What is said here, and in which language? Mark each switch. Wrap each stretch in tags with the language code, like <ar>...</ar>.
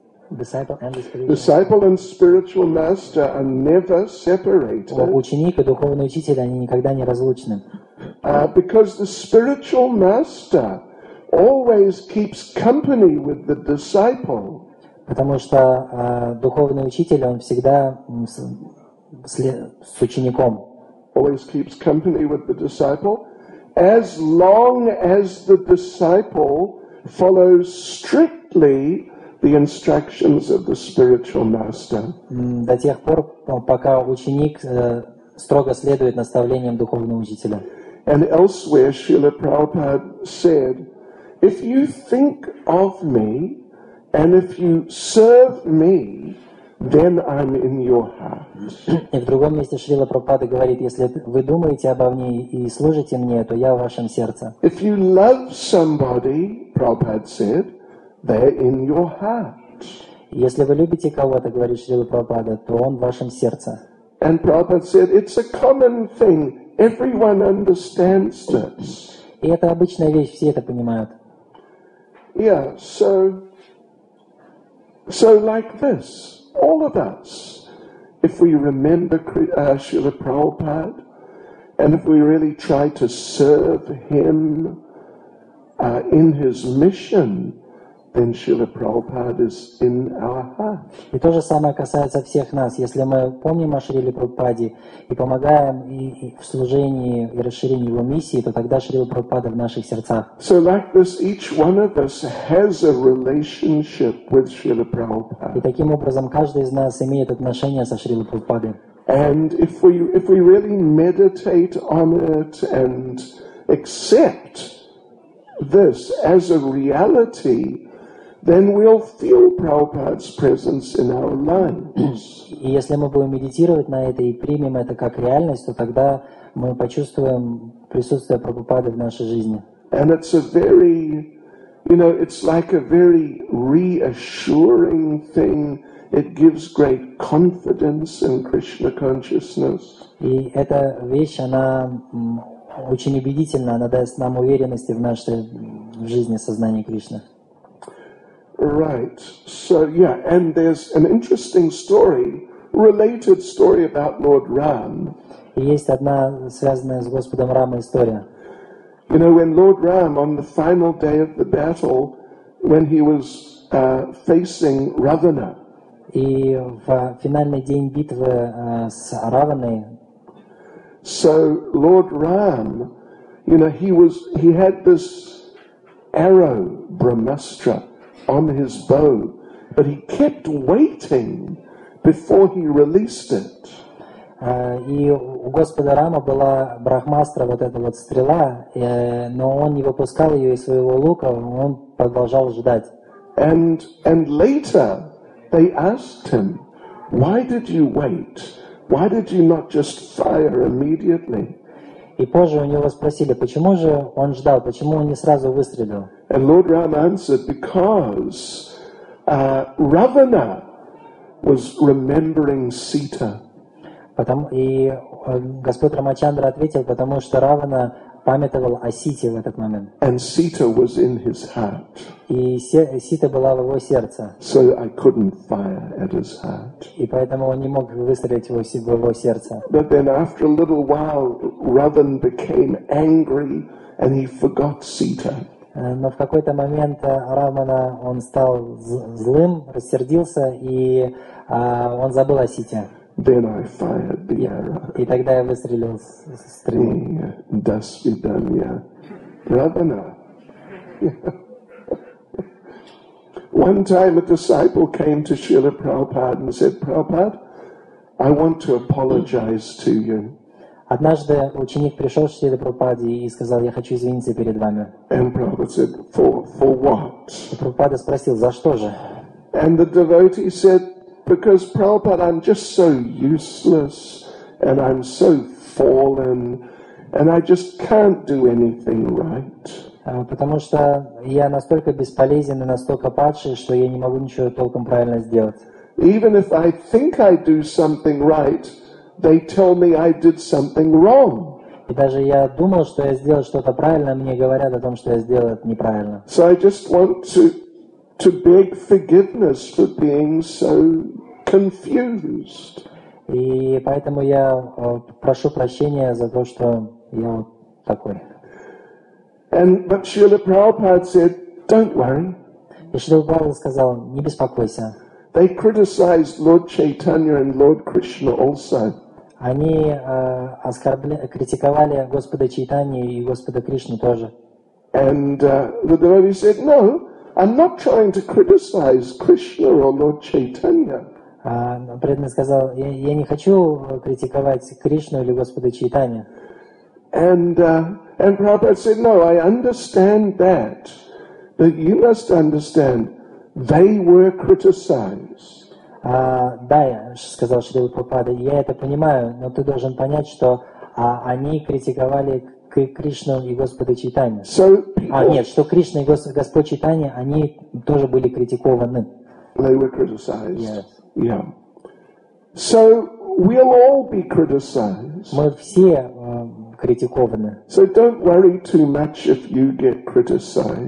<en>Disciple and spiritual master are never separated.</en> <ru>Ученик и духовный учитель, они никогда не разлучны.</ru> <en>Because the spiritual master always keeps company with the disciple.</en> <ru>Потому что духовный учитель, он всегда с учеником.</ru> <en>Always keeps company with the disciple, as long as the disciple follows strictly the instructions of the spiritual master.</en> <ru>До тех пор, пока ученик строго следует наставлениям духовного учителя.</ru> <en>And elsewhere, Srila Prabhupada said, if you think of me, and if you serve me, then I'm in your heart.</en> <ru>И в другом месте Шрила Прабхупада говорит, если вы думаете обо мне и служите мне, то я в вашем сердце.</ru> <en>If you love somebody, Prabhupada said, they're in your heart.</en> <ru>Если вы любите кого-то, говорит Шрила Прабхупада, то он в вашем сердце.</ru> <en>And Prabhupada said, it's a common thing. Everyone understands this.</en> <ru>И это обычная вещь, все это понимают.</ru> <en>Yeah, so like this, all of us, if we remember Srila Prabhupada, and if we really try to serve him in his mission, then Srila Prabhupada is in our heart.</en> <ru>И то же самое касается всех нас. Если мы помним о Шриле Прабхупаде и помогаем и в служении и расширении его миссии, то тогда Шрила Прабхупада в наших сердцах.</ru> <en>So like this, each one of us has a relationship with Srila Prabhupada.</en> <ru>И таким образом каждый из нас имеет отношение со Шрилой Прабхупадой.</ru> <en>And if we really meditate on it and accept this as a reality, then we'll feel Prabhupada's presence in our lives.</en> <ru>И если мы будем медитировать на это и примем это как реальность, то тогда мы почувствуем присутствие Прабхупады в нашей жизни.</ru> <en>And it's a very, you know, it's like a very reassuring thing. It gives great confidence in Krishna consciousness.</en> <ru>И эта вещь, она очень убедительна, она даст нам уверенности в нашей в жизни сознания Кришны.</ru> <en>Right. So yeah, and there's an interesting story, related story about Lord Ram.</en> <ru>Есть одна связанная с Господом Рамой история.</ru> <en>You know, when Lord Ram on the final day of the battle, when he was facing Ravana.</en> <ru>И в финальный день битвы с Раваной.</ru> <en>So Lord Ram, you know, he had this arrow, Brahmastra, on his bow, but he kept waiting before he released it.</en> <ru>И у Господа Рама была Брахмастра, вот эта вот стрела, но он не выпускал ее из своего лука, он продолжал ждать.</ru> <en>And later they asked him, why did you wait? Why did you not just fire immediately?</en> <ru>И позже у него спросили, почему же он ждал, почему он не сразу выстрелил?</ru> <en>And Lord Ram answered, because Ravana was remembering Sita.</en> <ru>И Господь Рамачандра ответил, потому что Равана памятовал о Сите в этот момент.</ru> <en>And Sita was in his heart.</en> <ru>И Сита была в его сердце.</ru> <en>So I couldn't fire at his heart.</en> <ru>И поэтому он не мог выстрелить его в его сердце.</ru> <en>But then after a little while, Ravan became angry and he forgot Sita.</en> <ru>Но в какой-то момент Рамана он стал злым, рассердился, и он забыл о сите.</ru> <en>Then I fired the arrow.</en> <ru>И тогда я выстрелил со стрелы. До свидания, Рамана.</ru> <en>One time a disciple came to Srila Prabhupada and said, Prabhupada, I want to apologize to you.</en> <ru>Однажды ученик пришел к Шриле Прабхупаде и сказал, я хочу извиниться перед вами.</ru> <en>And Prabhupada said, for what?</en> <ru>И Прабхупада спросил, за что же?</ru> <en>And the devotee said, because Prabhupada, I'm just so useless, and I'm so fallen, and I just can't do anything right.</en> <ru>Потому что я настолько бесполезен и настолько падший, что я не могу ничего толком правильно сделать.</ru> <en>Even if I think I do something right, they tell me I did something wrong.</en> <ru>И даже я думал, что я сделал что-то правильно, мне говорят о том, что я сделал это неправильно.</ru> <en>So I just want to beg forgiveness for being so confused.</en> <ru>И поэтому я прошу прощения за то, что я вот такой.</ru> <en>And but Srila Prabhupada said, "Don't worry."</en> <ru>Srila Prabhupada сказал, не беспокойся.</ru> <en>They criticized Lord Chaitanya and Lord Krishna also.</en> <ru>Они критиковали Господа Чайтанью и Господа Кришну тоже.</ru> <en>And the devotee said, "No, I'm not trying to criticize Krishna or Lord Chaitanya."</en> <ru>Преданный сказал, я не хочу критиковать Кришну или Господа Чайтанью.</ru> <en>And Prabhupada said, "No, I understand that, but you must understand, they were criticized."</en> <ru>Да, я сказал Шрила Прабхупада, я это понимаю, но ты должен понять, что они критиковали Кришну и Господа Чайтанью.</ru> <en>So,</en> <ru>нет, что Кришна и Господь Чайтанья, они тоже были критикованы.</ru> <en>They were criticized. Yes. Yeah. So we'll all be criticized.</en> <ru>Мы все критикованы.</ru> <en>So don't worry too much if you get criticized.</en>